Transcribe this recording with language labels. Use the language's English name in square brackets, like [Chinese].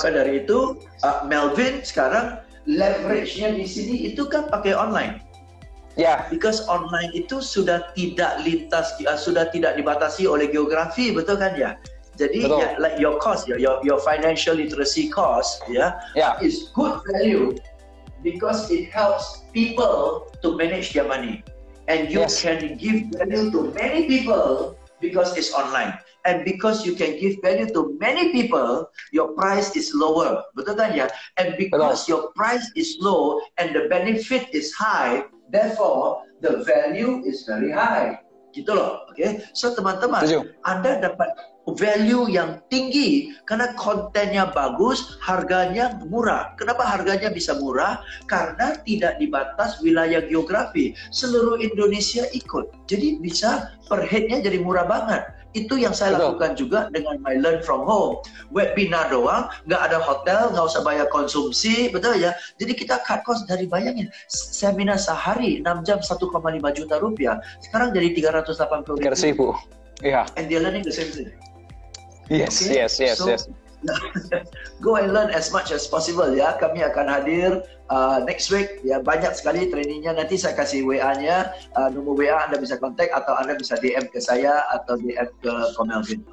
[Indonesian] Maka dari itu, Melvin sekarang leverage-nya di sini itu kan pakai online. [English] Yeah. Because [Indonesian] online itu sudah tidak lintas, sudah tidak dibatasi oleh geografi, betul kan ya? Jadi ya, [English] like your cost, your financial literacy cost, is good value because it helps people to manage their money. And you can give value to many people because it's online. And because you can give value to many people, your price is lower. [Indonesian] Betul kan ya? [English] And because your price is low and the benefit is high, therefore the value is very high. [Indonesian] Gitu loh. Okay? So teman-teman, Anda dapat value yang tinggi karena kontennya bagus, harganya murah. Kenapa harganya bisa murah? Karena tidak dibatas wilayah geografi. Seluruh Indonesia ikut. Jadi bisa per headnya jadi murah banget. Itu yang saya lakukan juga dengan [English] my learn from home. [Indonesian] Webinar doang, nggak ada hotel, nggak usah bayar konsumsi, betul ya? Jadi kita [English] cut cost [Indonesian] dari bayangin. Seminar sehari 6 jam 1,5 juta rupiah. Sekarang jadi 380 ribu. Kira-kira, Bu. Yeah. [English] And they're learning the same thing. Yes. Go and learn as much as possible ya. [Indonesian] Kami akan hadir [English] next week [Indonesian] ya. Banyak sekali trainingnya, nanti saya kasih WA-nya, nomor WA Anda bisa kontak atau Anda bisa DM ke saya atau DM ke Komelvin.